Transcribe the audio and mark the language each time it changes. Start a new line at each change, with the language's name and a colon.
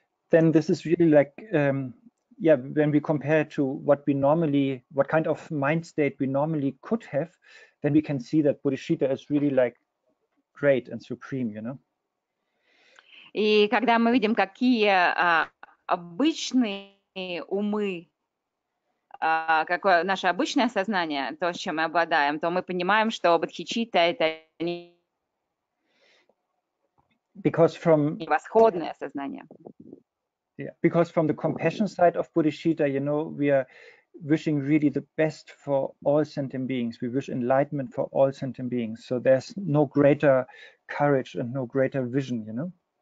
English: Then this is really like, when we compare to what we normally, what kind of mind state we normally could have, then we can see that bodhicitta is really like great and supreme, you know.
Russian: И когда мы видим, какие обычные умы, какое наше обычное сознание, то, с чем мы обладаем, то мы понимаем, что бодхичитта это не восходное сознание.
English: Yeah, because from the compassion side of bodhicitta, you know, we are wishing really the best for all sentient beings. We wish enlightenment for all sentient beings. So there's no greater courage and no greater vision, you know.